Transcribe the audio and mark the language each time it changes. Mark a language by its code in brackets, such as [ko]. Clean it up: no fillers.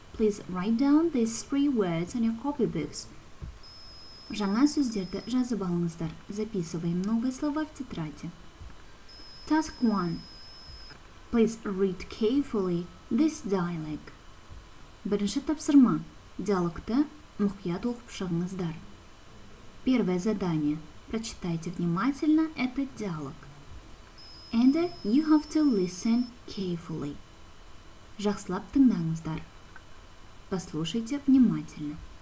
[en] Please write down these three words on your copybooks. [kk] Жаңа сөздерді жазып алыңыздар. [ru] Записываем новые слова в тетради. [en] Task 1. Please read carefully this dialogue. [kk] Бірінші тапсырма. Диалогты мұқият оқып шығыңыздар. [ru] Первое задание. Прочитайте внимательно этот диалог. [en] And you have to listen carefully. [kk] Жақсылап тыңдаңыздар. [ru] Послушайте внимательно.